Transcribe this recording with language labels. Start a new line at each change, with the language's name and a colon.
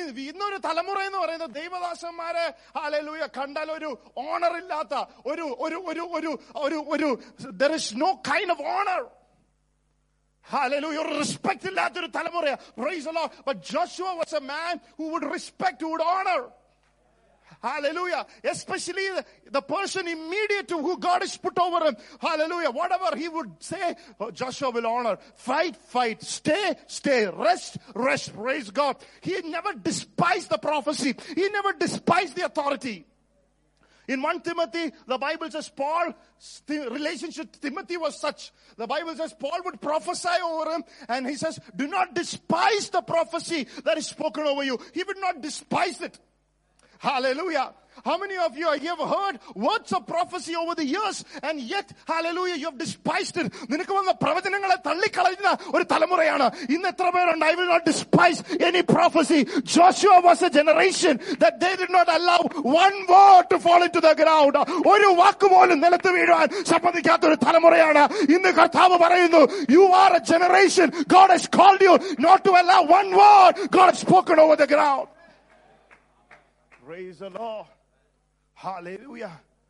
Malayalam: ഇന്നൊരു തലമുറ എന്ന് പറയുന്ന ദൈവദാസന്മാരെ ഹല്ലേലൂയ കണ്ടാൽ ഒരു ഓണർ ഇല്ലാത്ത ഒരു ഒരു ഒരു ഒരു ഒരു ഒരു
English: there is no kind of honor. Hallelujah. Respect
Malayalam: illathoru thalamuraya.
English: Praise the Lord. But Joshua was a man who would respect, who would honor. Hallelujah. Especially the person immediate to who God has put over him. Hallelujah. Whatever he would say, Joshua will honor. Fight, fight. Stay, stay. Rest, rest. Praise God. He never despised the prophecy. He never despised the authority. In 1 Timothy, the Bible says Paul's relationship to Timothy was such. The Bible says Paul would prophesy over him. And he says, do not despise the prophecy that is spoken over you. He would not despise it. Hallelujah. How many of you have heard words of prophecy over the years and yet, hallelujah, you have despised it?
Malayalam: നിനക്ക് വന്ന പ്രവചനങ്ങളെ തള്ളിക്കളയുന്ന ഒരു തലമുറയാണ് ഇന്ന് എത്ര പേരുണ്ട്.
English: I will not despise any prophecy. Joshua was a generation that they did not allow one word to fall into the ground.
Malayalam: ഒരു വാക്ക് പോലും നിലത്ത് വീഴാൻ സമ്മതിക്കാത്ത ഒരു തലമുറയാണ് ഇന്ന്. കർത്താവ് പറയുന്നു,
English: you are a generation God has called you not to allow one word God has spoken over the ground. Praise the Lord. Hallelujah.